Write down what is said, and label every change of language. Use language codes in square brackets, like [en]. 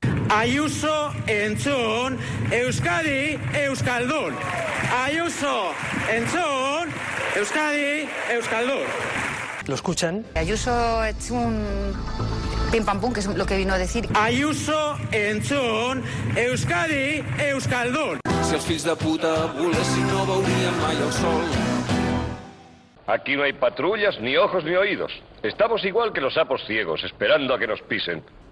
[eu] Ayuso entzun, Euskadi euskaldun. Ayuso entzun, Euskadi euskaldun. [es] ¿Lo escuchan? Ayuso es un pim pam pum, que es lo que vino a decir. [eu] Ayuso entzun, Euskadi euskaldun. [ca] Si els fills de puta volessin no veurien mai el sol. [es] Aquí no hay patrullas, ni ojos ni oídos. Estamos igual que los sapos ciegos, esperando a que nos pisen.